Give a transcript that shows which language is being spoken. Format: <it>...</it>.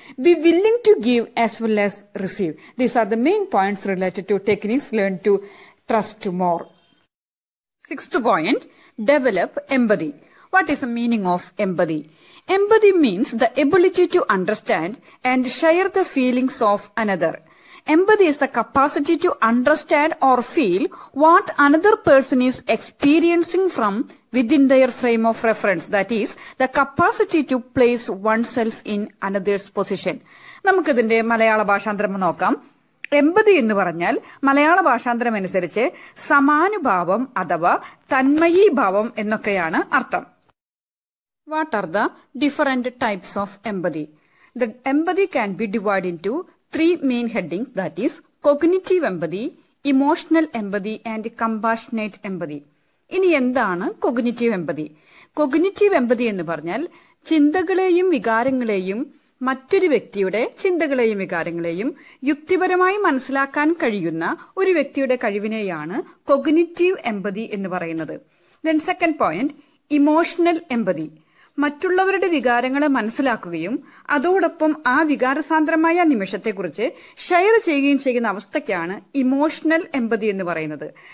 <en>Be willing to give as well as receive. These are the main points related to techniques learn to trust more. Sixth point, develop empathy. What is the meaning of empathy? Empathy means the ability to understand and share the feelings of another. Empathy is the capacity to understand or feel what another person is experiencing from within their frame of reference. That is, the capacity to place oneself in another's position.</en> <ml>നമുക്കിതിന്റെ മലയാള ഭാഷാന്തരം നോക്കാം. എമ്പതി എന്ന് പറഞ്ഞാൽ മലയാള ഭാഷാന്തരം അനുസരിച്ച് സമാനുഭാവം അഥവാ തന്മയീഭാവം എന്നൊക്കെയാണ് അർത്ഥം.</ml> <en>What are the different types of empathy? The empathy can be divided into three main headings, that is cognitive empathy, emotional empathy and compassionate empathy.</en> <ml>ഇനി എന്താണ് cognitive എമ്പതി? Cognitive എമ്പതി എന്ന് പറഞ്ഞാൽ ചിന്തകളെയും വികാരങ്ങളെയും മറ്റൊരു വ്യക്തിയുടെ ചിന്തകളെയും വികാരങ്ങളെയും യുക്തിപരമായി മനസ്സിലാക്കാൻ കഴിയുന്ന ഒരു വ്യക്തിയുടെ കഴിവിനെയാണ് കൊഗ്നിറ്റീവ് എമ്പതി എന്ന് പറയുന്നത്.</ml> <en>then second point,</en> <ml>ഇമോഷണൽ എമ്പതി. മറ്റുള്ളവരുടെ വികാരങ്ങളെ മനസ്സിലാക്കുകയും അതോടൊപ്പം ആ വികാരസാന്ദ്രമായ നിമിഷത്തെക്കുറിച്ച് ഷെയർ ചെയ്യുകയും ചെയ്യുന്ന അവസ്ഥയ്ക്കാണ് ഇമോഷണൽ എമ്പതി എന്ന് പറയുന്നത്.</ml>